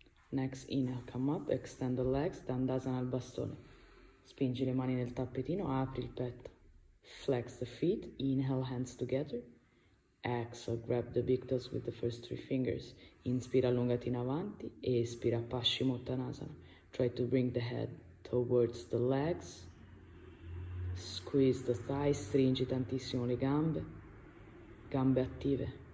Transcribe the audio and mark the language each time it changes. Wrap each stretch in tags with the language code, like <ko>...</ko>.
<en>Next inhale, come up, extend the legs, dandasana al bastone.</en> <it>Spingi le mani nel tappetino, apri il petto.</it> <en>Flex the feet, inhale, hands together. Exhale, grab the big toes with the first 3 fingers.</en> <it>Inspira, allungati in avanti.</it> <en>Espira, Paschimottanasana. Try to bring the head towards the legs. Squeeze the thighs.</en> <it>Stringi tantissimo le gambe. Gambe attive.</it>